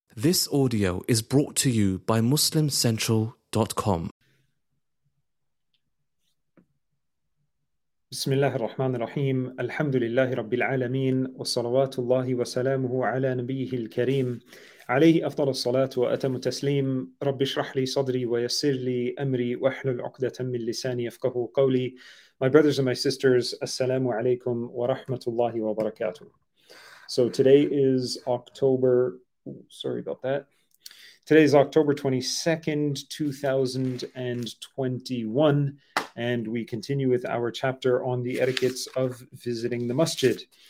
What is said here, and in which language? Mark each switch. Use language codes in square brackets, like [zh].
[en] This audio is brought to you by MuslimCentral.com. [ar] بسم الله الرحمن الرحيم الحمد لله رب العالمين والصلوات الله وسلامه على نبيه الكريم عليه أفضل الصلاة وأتم التسليم رب اشرح لي صدري ويسر لي أمري واحلل عقدة من لساني يفقه قولي. [en] My brothers and my sisters, assalamu alaikum wa rahmatullahi wa barakatuh. So today is October, sorry about that. Today is October 22nd, 2021, and we continue with our chapter on the etiquettes of visiting the masjid.